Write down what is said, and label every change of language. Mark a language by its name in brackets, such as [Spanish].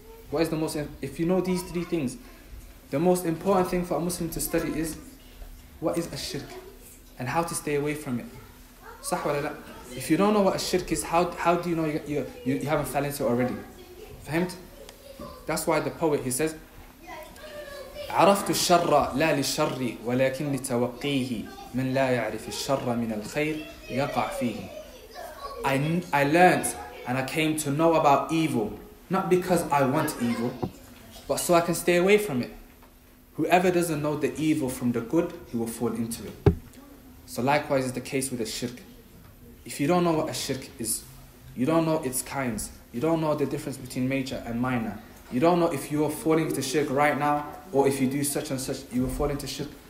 [English] What is the most, if you know these three things, the most important thing for a Muslim to study is what is a shirk and how to stay away from it. Sahwa la la. If you don't know what a shirk is, how do you know you haven't fell into it already? [Arabic] Fahimt? [English] That's why the poet, he says, [Arabic] عرفت الشر لا للشر ولكن لتوقيه من لا يعرف الشر من الخير يقع فيه. [English] I learned and I came to know about evil, not because I want evil, but so I can stay away from it. Whoever doesn't know the evil from the good, he will fall into it. So likewise is the case with a shirk. If you don't know what a shirk is, you don't know its kinds, you don't know the difference between major and minor, you don't know if you are falling into shirk right now, or if you do such and such, you will fall into shirk.